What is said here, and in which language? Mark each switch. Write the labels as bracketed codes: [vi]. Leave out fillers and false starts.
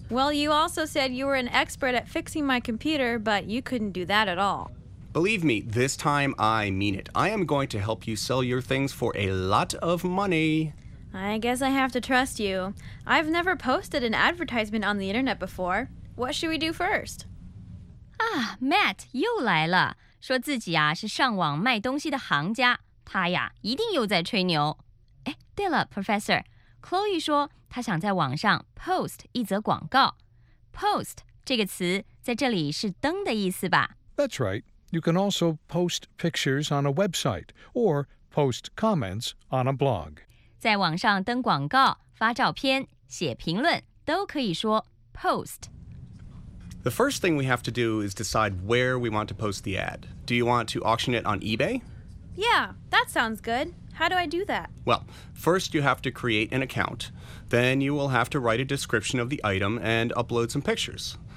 [en] Well, you also said you were an expert at fixing my computer, but you couldn't do that at all. Believe me, this time I mean it. I am going to help you sell your things for a lot of money. I guess I have to trust you. I've never posted an advertisement on the internet before. What should we do first? [zh] Ah, Matt, 又来了，说自己啊是上网卖东西的行家，他呀一定又在吹牛。哎，对了 ，Professor, Chloe 说她想在网上 post 一则广告。 Post 这个词在这里是登的意思吧 [en] ？That's right.You can also post pictures on a website or post comments on a blog. [zh] 在网上登广告、发照片、写评论都可以说 post。 [en] The first thing we have to do is decide where we want to post the ad. Do you want to auction it on eBay? Yeah, that sounds good. How do I do that? Well, first you have to create an account. Then you will have to write a description of the item and upload some pictures.